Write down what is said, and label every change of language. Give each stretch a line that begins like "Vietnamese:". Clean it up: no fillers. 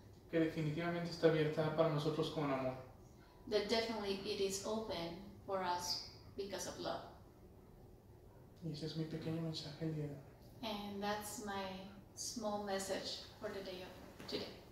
Spanish: Que definitivamente está abierta para nosotros con amor.
English: That definitely it is open for us because of love.
Spanish: Y ese es mi pequeño mensaje el día de hoy.
English: And that's my small message for the day of today.